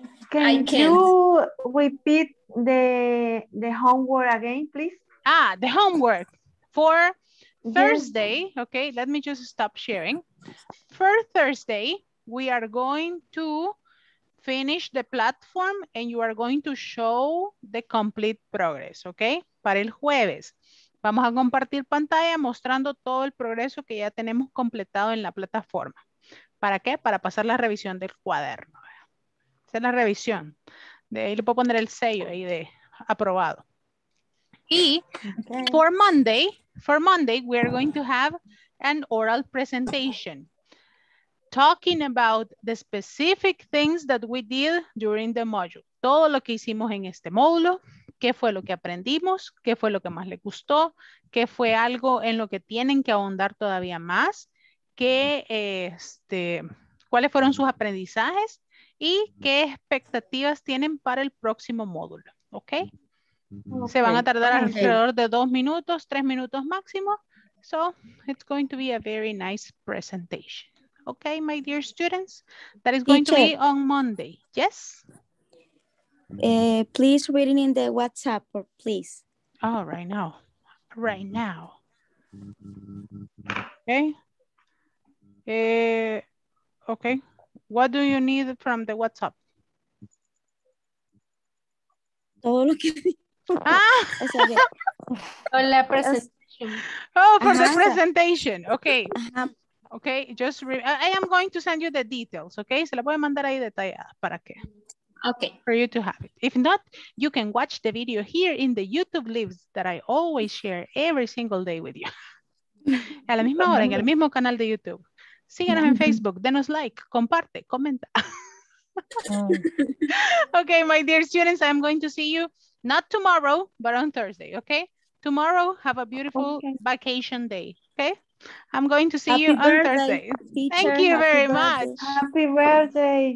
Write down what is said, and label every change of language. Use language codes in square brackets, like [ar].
[en] Can you repeat the homework again, please? Ah, the homework for Thursday. Yes. Okay, let me just stop sharing. For Thursday, we are going to finish the platform and you are going to show the complete progress, okay? [es] Para el jueves, vamos a compartir pantalla mostrando todo el progreso que ya tenemos completado en la plataforma. ¿Para qué? Para pasar la revisión del cuaderno. Hacer la revisión. De ahí le puedo poner el sello ahí de aprobado. Y okay. [en] For Monday, we are going to have an oral presentation talking about the specific things that we did during the module. [es] Todo lo que hicimos en este módulo, qué fue lo que aprendimos, qué fue lo que más le gustó, qué fue algo en lo que tienen que ahondar todavía más, cuáles fueron sus aprendizajes. ¿Y qué expectativas tienen para el próximo módulo? ¿Okay? ¿Ok? Se van a tardar alrededor de 2 minutos, 3 minutos máximo. [en] So, it's going to be a very nice presentation. [es] ¿Ok, [en] my dear students? That is going to be on Monday. ¿Yes? Please read it in the WhatsApp, please. Oh, right now. Right now. ¿Ok? ¿Ok? What do you need from the WhatsApp? [es] Todo lo que [en] for the presentation. Oh, for the presentation. Okay. Uh-huh. Okay, just I am going to send you the details, okay? [es] Se la voy a mandar ahí detallada para qué. [en] Okay. For you to have it. If not, you can watch the video here in the YouTube lives that I always share every single day with you. [es] A la misma hora, en el mismo canal de YouTube. Síganos en Facebook, denos like, comparte, comenta. [en] Okay, my dear students, I'm going to see you not tomorrow, but on Thursday, okay? Tomorrow, have a beautiful vacation day, okay? I'm going to see Happy you on birthday, Thursday. Teacher. Thank you Happy very birthday. Much. Happy birthday.